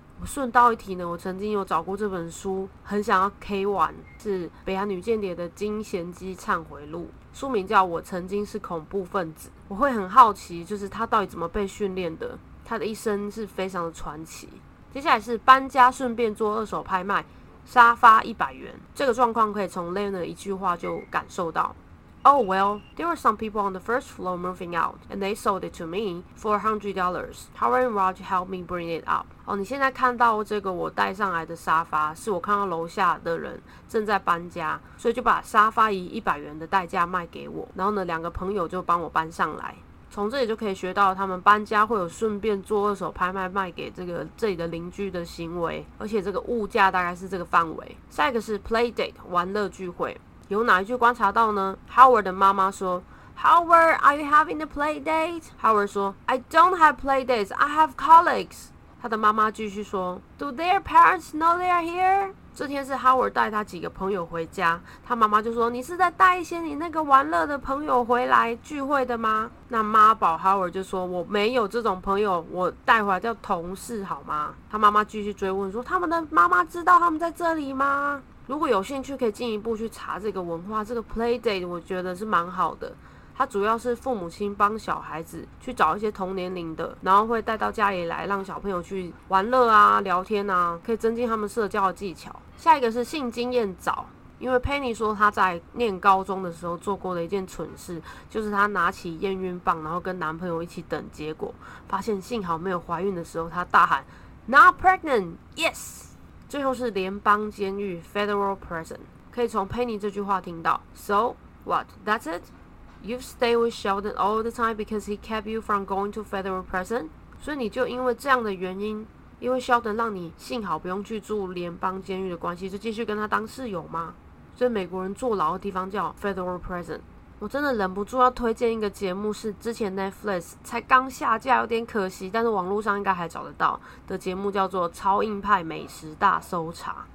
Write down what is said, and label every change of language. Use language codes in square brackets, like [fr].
[zh] 我顺道一提呢，我曾经有找过这本书，很想要 K 完，是北韩女间谍的金贤姬忏悔录，书名叫我曾经是恐怖分子。我会很好奇就是她到底怎么被训练的，她的一生是非常的传奇。接下来是搬家顺便做二手拍卖，沙发100元。这个状况可以从 Leonard 的一句话就感受到 [en] Oh well, there were some people on the first floor moving out and they sold it to me for $100. Howard and Raj helped me bring it up. [zh] 哦，你现在看到这个我带上来的沙发是我看到楼下的人正在搬家，所以就把沙发以100元的代价卖给我，然后呢两个朋友就帮我搬上来。从这里就可以学到他们搬家会有顺便做二手拍卖卖给这个这里的邻居的行为，而且这个物价大概是这个范围。下一个是 play date 玩乐聚会，有哪一句观察到呢？ Howard 的妈妈说 [en] Howard, are you having a play date? [zh] Howard 说 [en] I don't have play dates, I have colleagues. [zh] 他的妈妈继续说 [en] Do their parents know they are here? [zh] 这天是 Howard 带他几个朋友回家，他妈妈就说你是在带一些你那个玩乐的朋友回来聚会的吗？那妈宝 Howard 就说我没有这种朋友，我带回来叫同事好吗？他妈妈继续追问说他们的妈妈知道他们在这里吗？如果有兴趣可以进一步去查这个文化，这个 play date 我觉得是蛮好的。它主要是父母亲帮小孩子去找一些同年龄的，然后会带到家里来让小朋友去玩乐啊聊天啊，可以增进他们社交的技巧。下一个是性经验早，因为 Penny 说他在念高中的时候做过的一件蠢事，就是他拿起验孕棒然后跟男朋友一起等结果，发现幸好没有怀孕的时候，他大喊 [en] Not pregnant, yes。 [zh] 最后是联邦监狱 Federal prison， 可以从 Penny 这句话听到 [en] So what, that's itYou've stayed with Sheldon all the time because he kept you from going to federal prison. [zh] 所以你就因为这样的原因，因为 Sheldon 让你幸好不用去住联邦监狱的关系，就继续跟他当室友吗？所以美国人坐牢的地方叫 federal prison。我真的忍不住要推荐一个节目，是之前 Netflix 才刚下架，有点可惜，但是网络上应该还找得到的节目，叫做《超硬派美食大搜查》。